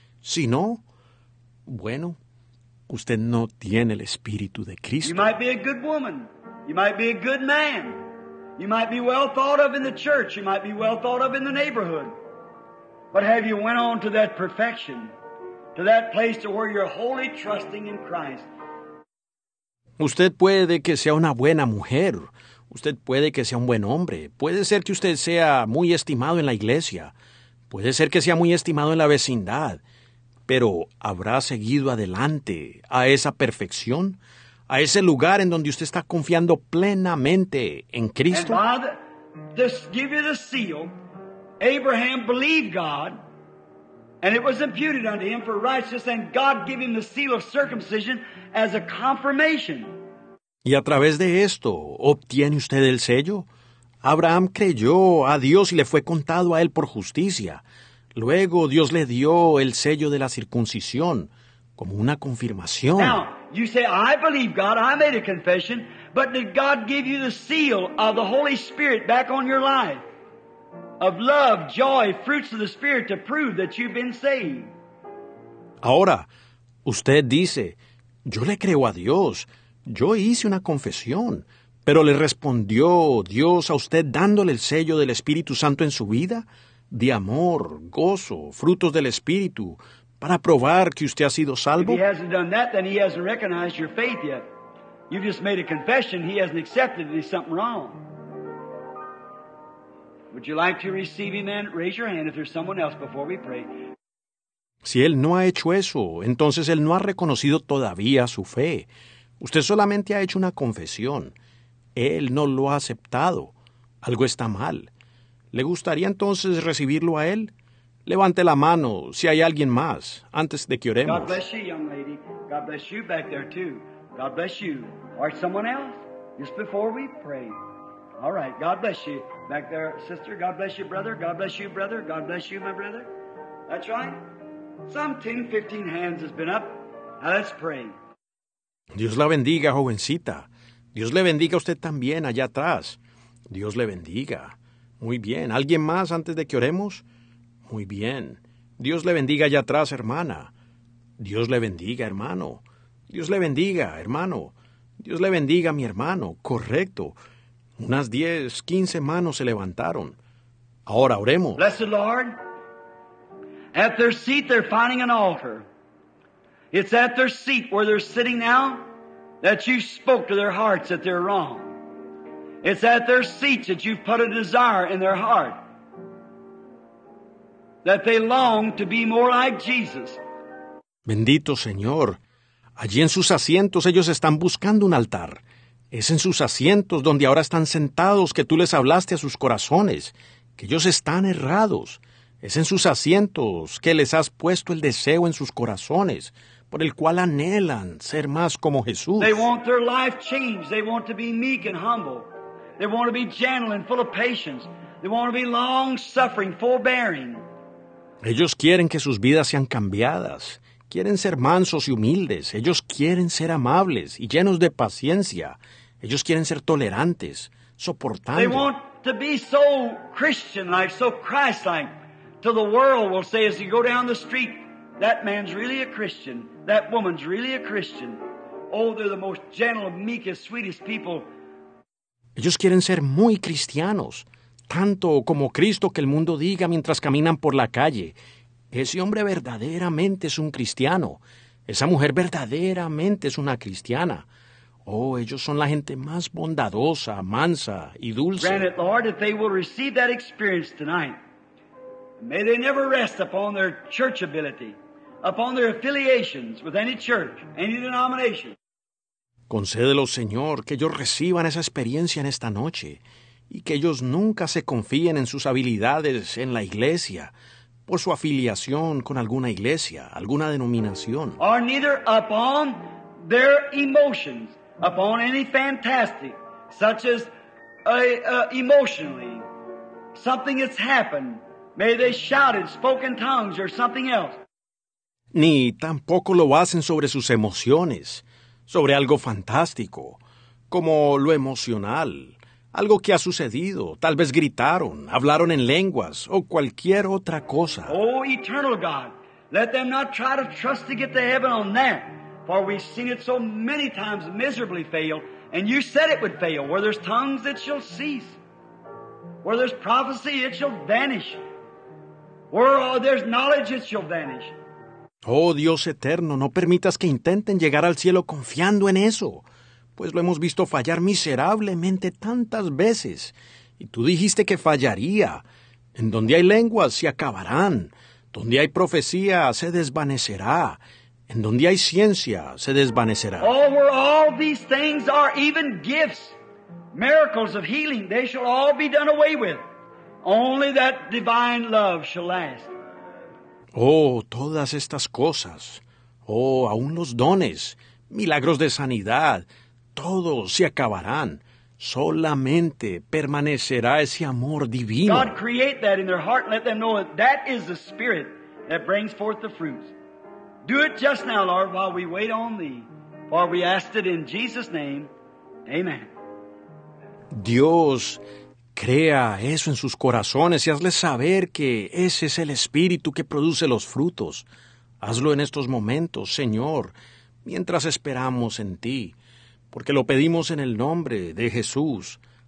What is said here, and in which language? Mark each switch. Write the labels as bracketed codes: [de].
[es] Si no, bueno, usted no tiene el Espíritu de Cristo. [en] You might be a good woman. You might be a good man. You might be well thought of in the church. You might be well thought of in the neighborhood. But have you went on to that perfection, to that place to where you're wholly trusting in Christ? [es] Usted puede que sea una buena mujer. Usted puede que sea un buen hombre. Puede ser que usted sea muy estimado en la iglesia. Puede ser que sea muy estimado en la vecindad. Pero ¿habrá seguido adelante a esa perfección? ¿A ese lugar en donde usted está confiando plenamente en Cristo? [en] And God, just give you the seal. Abraham believed God, and it was imputed unto him for righteousness, and God gave him the seal of circumcision as a confirmation. [es] Y a través de esto, ¿obtiene usted el sello? Abraham creyó a Dios y le fue contado a él por justicia. Luego Dios le dio el sello de la circuncisión como una confirmación. [en] Now, you say, I believe God, I made a confession, but did God give you the seal of the Holy Spirit back on your life? Of love, joy, fruits of the Spirit to prove that you've been saved. [es] Ahora, usted dice, yo le creo a Dios. Yo hice una confesión, pero ¿le respondió Dios a usted dándole el sello del Espíritu Santo en su vida? De amor, gozo, frutos del Espíritu, para probar que usted ha sido salvo. [en] If he hasn't done that, then he hasn't recognized your faith yet. You've just made a confession, he hasn't accepted it, there's something wrong. Would you like to receive him then? Raise your hand if there's someone else before we pray. [es] Si él no ha hecho eso, entonces él no ha reconocido todavía su fe. Usted solamente ha hecho una confesión. Él no lo ha aceptado. Algo está mal. ¿Le gustaría entonces recibirlo a él? Levante la mano si hay alguien más antes de que oremos. [en] God bless you, young lady. God bless you back there too. God bless you. Or someone else? Just before we pray. All right. God bless you back there, sister. God bless you, brother. God bless you, brother. God bless you, my brother. That's right. Some 10, 15 hands has been up. Now let's pray. [es] Dios la bendiga, jovencita. Dios le bendiga a usted también allá atrás. Dios le bendiga. Muy bien. ¿Alguien más antes de que oremos? Muy bien. Dios le bendiga allá atrás, hermana. Dios le bendiga, hermano. Dios le bendiga, hermano. Dios le bendiga, mi hermano. Correcto. Unas 10, 15 manos se levantaron. Ahora oremos. [en] Blessed Lord, at their seat they're finding an altar. It's at their seat where they're sitting now that you spoke to their hearts that they're wrong. It's at their seats that you've put a desire in their heart that they long to be more like Jesus. [es] Bendito Señor, allí en sus asientos ellos están buscando un altar. Es en sus asientos donde ahora están sentados que tú les hablaste a sus corazones, que ellos están errados. Es en sus asientos que les has puesto el deseo en sus corazones, por el cual anhelan ser más como Jesús. [en] They want their life changed. They want to be meek and humble. They want to be gentle and full of patience. They want to be long-suffering, forbearing. [es] Ellos quieren que sus vidas sean cambiadas. Quieren ser mansos y humildes. Ellos quieren ser amables y llenos de paciencia. Ellos quieren ser tolerantes, soportando. [en] They want to be so Christian-like, so Christ-like, till the world will say as you go down the street, that man's really a Christian. That woman's really a Christian. Oh, they're the most gentle, meekest, sweetest people. [es] Ellos quieren ser muy cristianos, tanto como Cristo que el mundo diga mientras caminan por la calle. Ese hombre verdaderamente es un cristiano. Esa mujer verdaderamente es una cristiana. Oh, ellos son la gente más bondadosa, mansa y dulce. [en] Grant it, Lord, that they will receive that experience tonight. May they never rest upon their church ability, upon their affiliations with any church, any denomination. [es] Concédelo, Señor, que ellos reciban esa experiencia en esta noche y que ellos nunca se confíen en sus habilidades en la iglesia por su afiliación con alguna iglesia, alguna denominación. [en] Or neither upon their emotions, upon any fantastic, such as emotionally, something that's happened. May they shout and spoke in tongues or something else. [es] Ni tampoco lo hacen sobre sus emociones, sobre algo fantástico, como lo emocional, algo que ha sucedido, tal vez gritaron, hablaron en lenguas, o cualquier otra cosa. [en] Oh, eternal God, let them not try to trust to get to heaven on that, for we've seen it so many times miserably fail, and you said it would fail. Where there's tongues, it shall cease. Where there's prophecy, it shall vanish. Where there's knowledge, it shall vanish. [es] Oh, Dios eterno, no permitas que intenten llegar al cielo confiando en eso, pues lo hemos visto fallar miserablemente tantas veces. Y tú dijiste que fallaría. En donde hay lenguas, se acabarán. Donde hay profecía, se desvanecerá. En donde hay ciencia, se desvanecerá. [en] Oh, where all these things are even gifts, miracles of healing, they shall all be done away with. Only that divine love shall last. [es] Oh, todas estas cosas, oh, aún los dones, milagros de sanidad, todos se acabarán. Solamente permanecerá ese amor divino. [en] God, create that in their heart and let them know that that is the Spirit that brings forth the fruits. Do it just now, Lord, while we wait on Thee, for we ask it in Jesus' name. Amen. [es] Dios, crea eso en sus corazones y hazles saber que ese es el Espíritu que produce los frutos. Hazlo en estos momentos, Señor, mientras esperamos en Ti, porque lo pedimos en el nombre de Jesús.